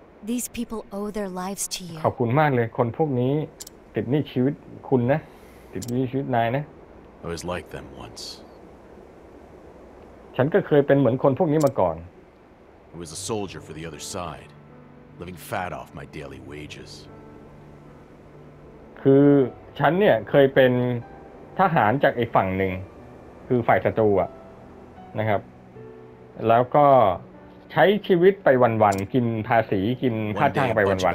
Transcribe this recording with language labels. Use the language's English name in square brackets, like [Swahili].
[English] These people owe their lives to you. [Thai] ขอบคุณมากเลยคนพวกนี้ติดหนี้ชีวิตคุณนะติดหนี้ชีวิตนายนะ [English] I was like them once. [Thai] ฉันก็เคยเป็นเหมือนคนพวกนี้มาก่อน [English] I was a soldier for the other side, living fat off my daily wages. [Thai] คือฉันเนี่ยเคยเป็นทหารจากอีกฝั่งหนึ่งคือฝ่ายศัตรูอะนะครับแล้วก็ใช้ชีวิตไปวันๆกินภาษีกินค่าจ้างไปวัน